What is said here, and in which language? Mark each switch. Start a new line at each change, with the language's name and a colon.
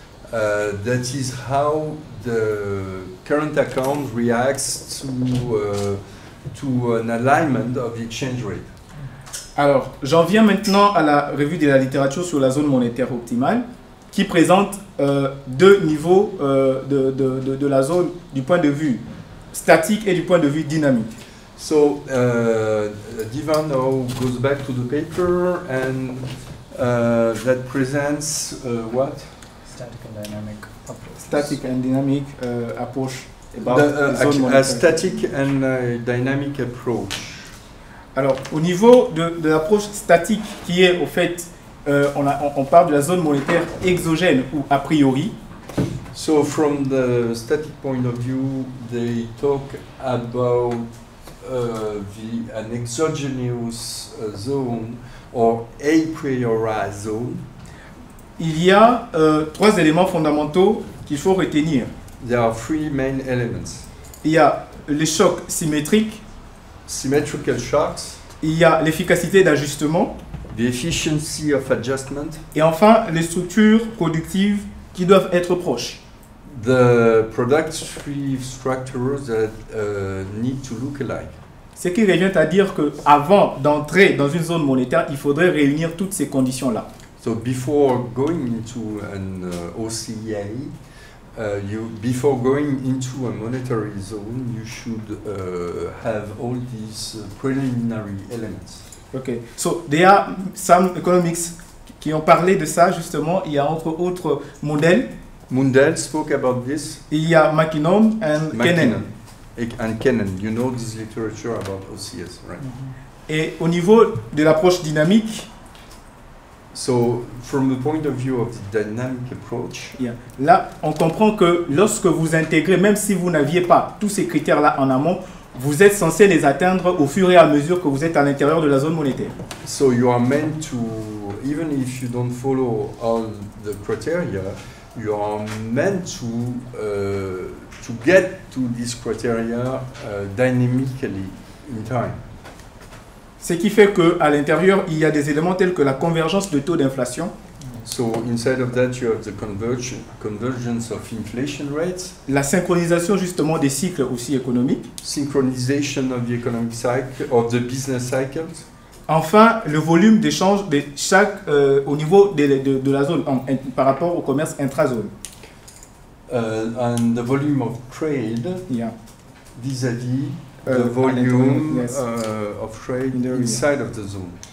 English: That is how the current account reacts to an alignment of the exchange rate.
French: Alors, j'en viens maintenant à la revue de la littérature sur la zone monétaire optimale, qui présente deux niveaux de la zone du point de vue statique et du point de vue dynamique.
English: So, Divan now goes back to the paper and that presents what? Static and dynamic approach. Static and dynamic approach about the zone monétaire. A static and dynamic approach.
French: Alors, au niveau de l'approche statique, qui est au fait, on parle de la zone monétaire exogène ou a priori.
English: So, from the static point of view, they talk about an exogenous zone or a priori zone.
French: Il y a trois éléments fondamentaux qu'il faut retenir.
English: There are three main elements.
French: Il y a les chocs symétriques.
English: Symmetrical shocks.
French: Il y a l'efficacité d'ajustement.
English: The efficiency of adjustment.
French: Et enfin, les structures productives qui doivent être proches.
English: The productive structures that need to look alike.
French: Ce qui revient à dire qu'avant d'entrer dans une zone monétaire, il faudrait réunir toutes ces conditions-là.
English: So before going into an OCA, before going into a monetary zone, you should have all these preliminary elements. Okay. So there are some economics
French: qui ont parlé de ça justement. Il y a entre autres Mundell.
English: Mundell spoke about this.
French: Il y a Mackinnon and Kennan.
English: And Kennan, you know this literature about OCS, right? Mm-hmm.
French: Et au niveau de l'approche dynamique.
English: So, from the point of view of the dynamic approach, yeah.
French: Là, on comprend que lorsque vous intégrez, même si vous n'aviez pas tous ces critères-là en amont, vous êtes censé les atteindre au fur et à mesure que vous êtes à l'intérieur de la zone monétaire.
English: So, you are meant to, even if you don't follow all the criteria, you are meant to get to this criteria dynamically in time.
French: Ce qui fait qu'à l'intérieur, il y a des éléments tels que la convergence de taux d'inflation.
English: So inside of that, you have the convergence of inflation rates.
French: La synchronisation justement des cycles aussi économiques.
English: Synchronization of the economic cycle, of the business cycles.
French: Enfin, le volume d'échange de chaque au niveau de la zone par rapport au commerce intra-zone.
English: And the volume of trade, yeah, vis-à-vis the volume of trade inside of the zone.